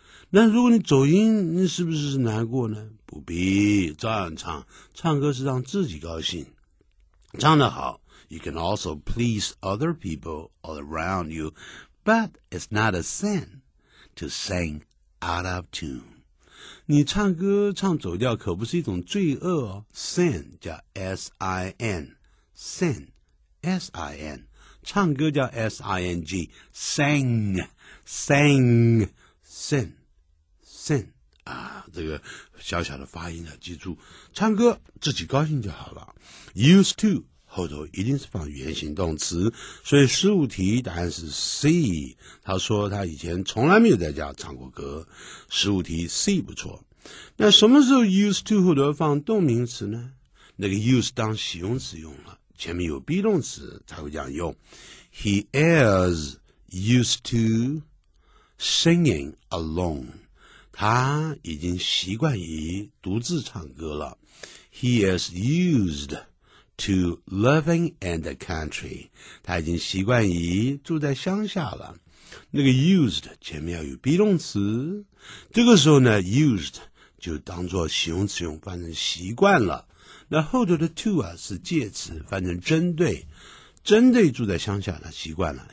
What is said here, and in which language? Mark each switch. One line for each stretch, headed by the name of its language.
Chinese: 那如果你走音，你是不是难过呢？不必，照样唱。唱歌是让自己高兴，唱得好
English: ，you can also please other people all around you, but it's not a sin to sing out of tune。
Chinese: 你唱歌唱走调可不是一种罪恶哦。 Sin 加 S-I-N。Sing, S-I-N, 唱歌叫 S-I-N-G, sing, sing, sing, sing, 啊，这个小小的发音要记住，唱歌自己高兴就好了。 Used to, 后头一定是放原形动词，所以15题答案是 C, 他说他以前从来没有在家唱过歌。 15题 C 不错。那什么时候 used to 后头放动名词呢？那个 use 当形容词用了。前面有 be 动词才会这样用。
English: He is used to singing alone.
Chinese: 他已经习惯于独自唱歌了。
English: He is used to living in the country.
Chinese: 他已经习惯于住在乡下了。那个 used 前面要有 be 动词。这个时候呢 used 就当作形容词用，反正习惯了。那后头的 to 啊是介词，反正针对住在乡下，他习惯了。